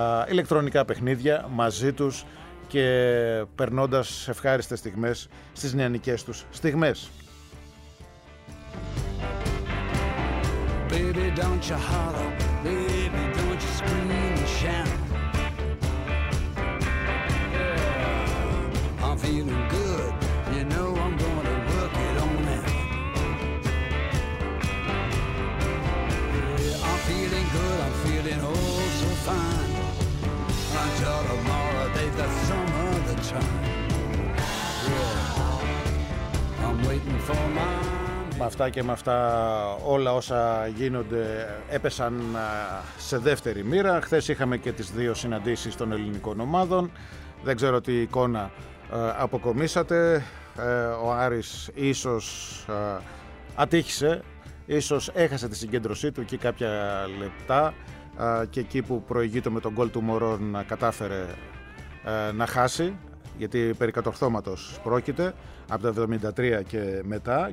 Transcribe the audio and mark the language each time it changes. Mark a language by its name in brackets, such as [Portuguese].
[Greek] ηλεκτρονικά παιχνίδια μαζί τους και περνώντας ευχάριστες στιγμές στις νεανικές τους στιγμές. [English] Baby, don't you holler, baby, don't you scream and shout. Yeah. I'm feeling good, you know I'm gonna work it on out. Yeah, I'm feeling good, I'm feeling oh so fine. Until tomorrow, they've got some other time. Yeah, I'm waiting for my. [Greek] Με αυτά και με αυτά όλα όσα γίνονται έπεσαν σε δεύτερη μοίρα. Χθες είχαμε και τις δύο συναντήσεις των ελληνικών ομάδων. Δεν ξέρω τι εικόνα αποκομίσατε. Ο Άρης ίσως ατύχησε, ίσως έχασε τη συγκέντρωσή του εκεί κάποια λεπτά και εκεί που προηγείται με τον γκολ του Μωρόν να κατάφερε να χάσει, γιατί περί κατορθώματος πρόκειται από τα 73 και μετά.